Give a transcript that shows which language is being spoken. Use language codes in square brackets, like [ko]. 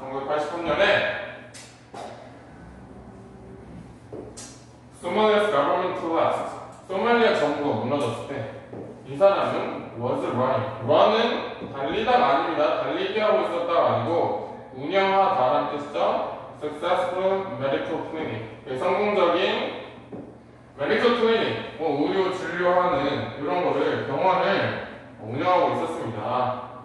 [ko] 1983년에 [en] Somalia's government collapsed. [ko] 소말리아 정부가 무너졌을 때이 사람은 [en] was running. [ko] Run은 달리다가 아닙니다. 달리기 하고 있었다가 아니고 운영하다란 뜻이죠. [en] Successful medical clinic. [ko] 성공적인 [en] medical clinic. [ko] 의료 진료하는 이런 거를 병원을 운영하고 있었습니다.